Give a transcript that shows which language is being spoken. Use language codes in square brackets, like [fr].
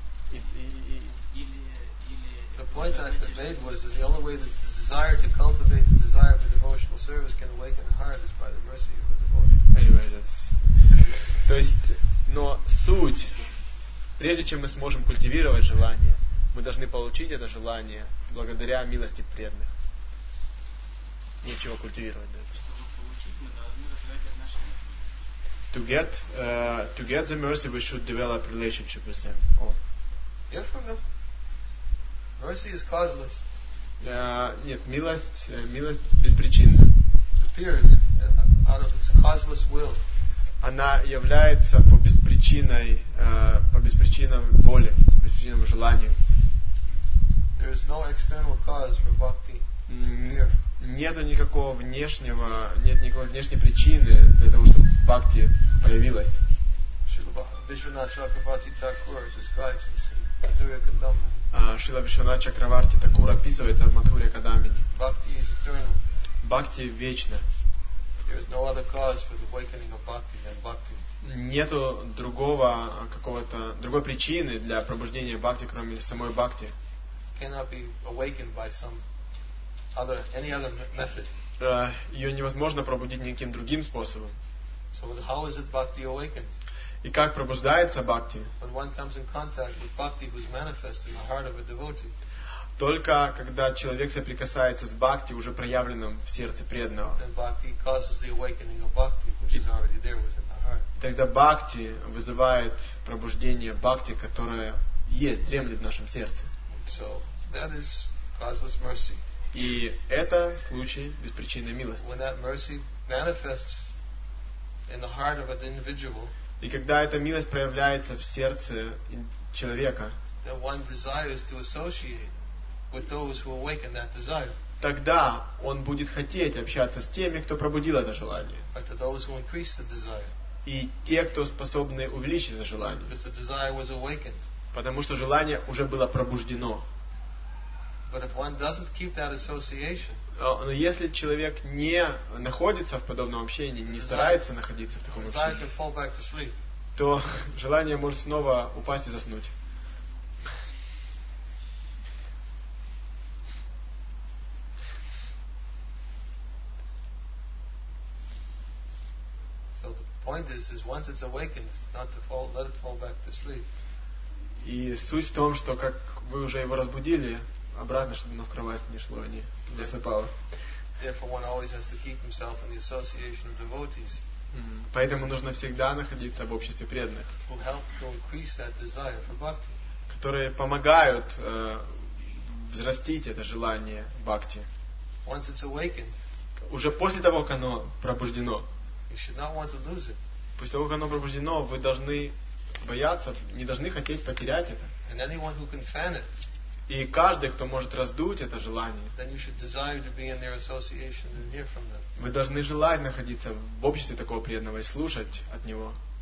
[en] The point I made was that the only way that the desire to cultivate the desire for devotional service can awaken the heart is by the mercy of the devotee. Anyway, that's. [ru] То есть, но суть, прежде чем мы сможем культивировать желание, мы должны получить это желание благодаря милости преданных. Нечего культивировать. Чтобы получить, мы должны развивать отношения. [en] To get the mercy, we should develop relationship with them. Yeah, mercy is causeless. [ru] Нет, милость беспричинна. [en] Appears out of its causeless will. [ru] Она является по беспричинной. причиной, по беспричинам воли, по беспричинам желанию. [en] There is no external cause for bhakti. [ru] Нету никакого внешнего, нет никакой внешней причины для того, чтобы бхакти появилась. Шрила Вишванатха Чакраварти Такур описывает в Матхуре Кадамбине. [en] Бхакти is eternal. [ru] Бхакти вечна. [en] There is no other cause for the awakening of bhakti than bhakti. [ru] Нету другого какого-то другой причины для пробуждения бхакти, кроме самой бхакти. [en] Cannot be awakened by some other any other method. [ru] Ее невозможно пробудить никаким другим способом. [en] So how is it bhakti awakened? [ru] И как пробуждается бхакти? [en] When one comes in contact with bhakti who's manifest in the heart of a devotee. [ru] Только когда человек соприкасается с бхакти, уже проявленным в сердце преданного. [en] Then bhakti causes the awakening of bhakti, which is already there within the heart. [ru] Тогда бхакти вызывает пробуждение бхакти, которое есть, дремлет в нашем сердце. [en] So that is causeless mercy. [ru] И это случай беспричинной милости. [en] When that mercy manifests in the heart of an individual. [ru] И когда эта милость проявляется в сердце человека. [en] Then one desires to associate. With those who awaken that desire. [ru] Тогда он будет хотеть общаться с теми, кто пробудил это желание. [en] But to those who increase the desire. [ru] И те, кто способны увеличить это желание. [en] Because the desire was awakened. [ru] Потому что желание уже было пробуждено. [en] But if one doesn't keep that association. [ru] Но если человек не находится в подобном общении, не старается находиться в таком общении, [en] desire can fall back to sleep. [ru] То желание может снова упасть и заснуть. [en] Point is once it's awakened, not to fall, let it fall back to sleep. [ru] И суть в том, что как вы уже его разбудили, обратно, чтобы оно в кровать не шло, не засыпало. [en] Therefore, one always has to keep himself in the association of devotees. [ru] Поэтому нужно всегда находиться в обществе преданных. [en] Who help to increase that desire for bhakti. [ru] Которые помогают взрастить это желание бхакти. [en] Once it's awakened. [ru] Уже после того, как оно пробуждено. [en] You should not want to lose it. [ru] После того, как оно пробуждено, вы должны бояться, не должны хотеть потерять это. [en] And anyone who can fan it. [ru] И каждый, кто может раздуть это желание. [en] Then you should desire to be in their association and hear from them. [ru] Вы должны желать находиться в обществе такого преданного и слушать от него.